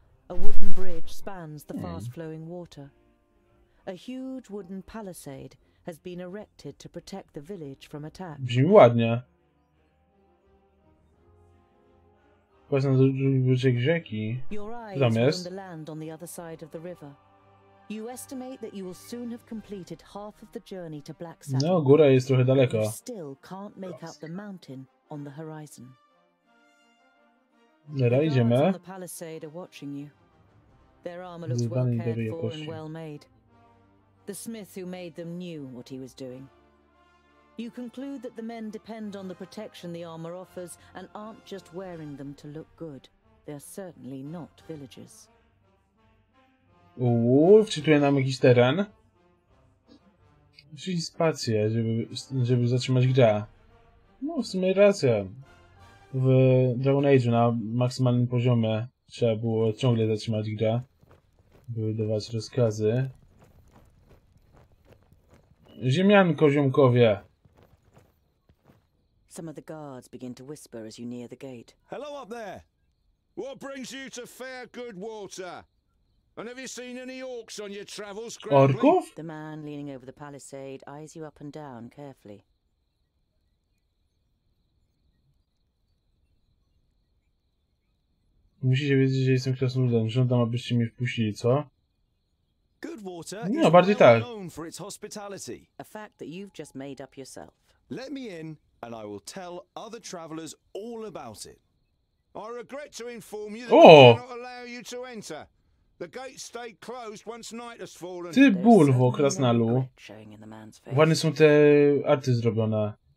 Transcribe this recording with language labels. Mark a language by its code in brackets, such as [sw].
[en] A wooden bridge spans the fast-flowing water. A huge wooden palisade has been erected to protect the village from attack. [pl] Brzmi ładnie. Właśnie na drugi brzeg rzeki. Tam jest. [en] The land on the other side of the river. You estimate that you will soon have completed half of the journey to Black Saddle. [pl] No, góra jest trochę daleko. [en] You still can't make out the mountain on the horizon. [pl] Dobra, idziemy. [en] The palisade are watching you. Their armor looks well cared for and well made. The smith who made them knew what he was doing. You conclude that the men depend on the protection the armor offers and aren't just wearing them to look good. They are certainly not villagers. [pl] Wczytuje nam jakiś teren. Musi spację, żeby zatrzymać grę. No, w sumie racja. W Dragon Age na maksymalnym poziomie trzeba było ciągle zatrzymać grę, by wydawać rozkazy. Ziemianko, ziomkowie! [en] Some of the guards begin to whisper as you near the gate. Hello up there! What brings you to fair good water? And have you seen any orcs on your travels, [pl] Krasnoludy? Orków? [en] The man leaning over the palisade eyes you up and down carefully. [pl] Musicie wiedzieć, że jestem krasnoludem. Żądam, abyście mnie wpuścili, co? [en] Good water [pl] no, bardziej [en] well [pl] tak. [en] Known for its hospitality. A fact that you've just made up yourself. Let me in, and I will tell other travelers all about it. I regret to inform you that oh. I cannot allow you to enter. The gate stayed closed once night has fallen. [pl] Ty bulwo, krasnalu. Ładnie są te arty zrobione.